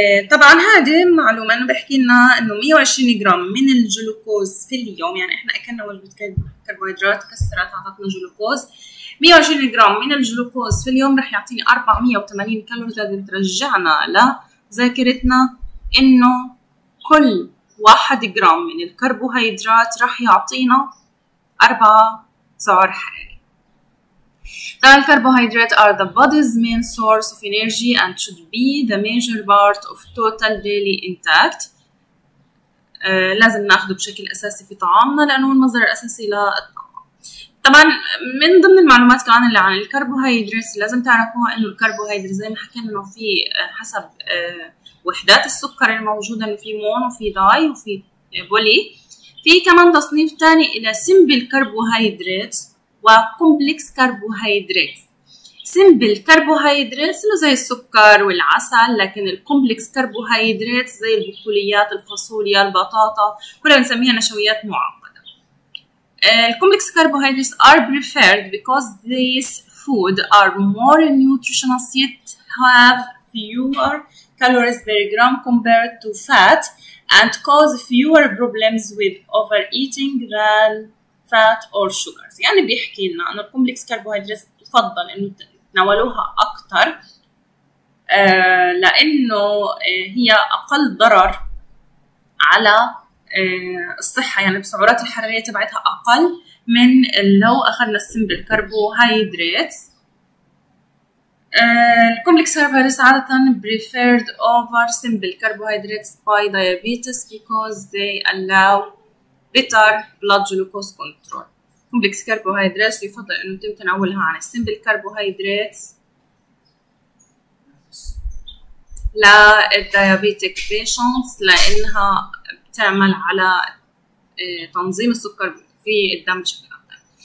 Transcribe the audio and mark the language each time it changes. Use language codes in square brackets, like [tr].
[ar] طبعا هذه معلومة أنه بحكي لنا أنه 120 جرام من الجلوكوز في اليوم، يعني إحنا أكلنا وجبة كربوهيدرات كسرت أعطتنا جلوكوز، 120 جرام من الجلوكوز في اليوم رح يعطيني 480 كالوري. لازم ترجعنا لذاكرتنا انه كل 1 جرام من الكربوهيدرات رح يعطينا 4 سعر حراري. طبعا الكربوهيدرات [en] are the body's main source of energy and should be the major part of total daily intake. [ar] لازم ناخده بشكل اساسي في طعامنا لانه المصدر الاساسي للطعام. طبعا من ضمن المعلومات كمان اللي عن الكربوهيدرات لازم تعرفوها انه الكربوهيدرات زي ما حكينا انه في حسب وحدات السكر الموجوده انه في مون وفي داي وفي بولي، في كمان تصنيف ثاني الى سيمبل كربوهيدرات وكومبلكس كربوهيدرات. سيمبل كربوهيدرات اللي زي السكر والعسل، لكن الكومبلكس كربوهيدرات زي البقوليات الفاصوليا البطاطا كلها بنسميها نشويات معقده. الكومبلكس كربوهيدرات [en] are preferred because these food are more nutritious yet have fewer calories per gram compared to fat and cause fewer problems with overeating than fat or sugars. [ar] يعني بيحكي لنا انه الكومبلكس كربوهيدرات تفضل انه تناولوها اكثر لانه هي اقل ضرر على الصحة، يعني بسعرات الحرارية تبعتها أقل من لو أخذنا السمبل كربوهيدرات. الكومبلكس كربوهيدرات عادة [en] preferred over simple carbohydrates by diabetes because they allow better blood glucose control. [ar] الكومبلكس كربوهيدرات يفضل أنه يتم تناولها عن السمبل كربوهيدرات للديابيتيك patients لأنها تعمل على تنظيم السكر في الدم بشكل أفضل.